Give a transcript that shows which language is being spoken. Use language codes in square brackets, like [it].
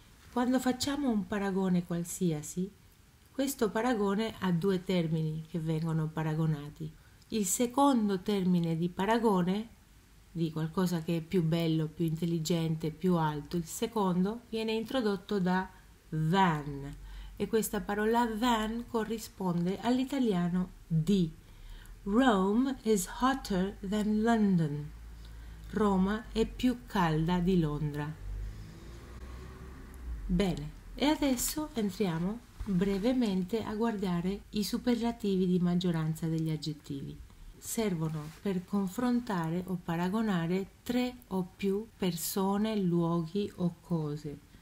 [it] Quando facciamo un paragone qualsiasi, questo paragone ha due termini che vengono paragonati. Il secondo termine di paragone, di qualcosa che è più bello, più intelligente, più alto, il secondo viene introdotto da than e questa parola than corrisponde all'italiano di. [en] Rome is hotter than London. [it] Roma è più calda di Londra. Bene, e adesso entriamo brevemente a guardare i superlativi di maggioranza degli aggettivi. Servono per confrontare o paragonare tre o più persone, luoghi o cose.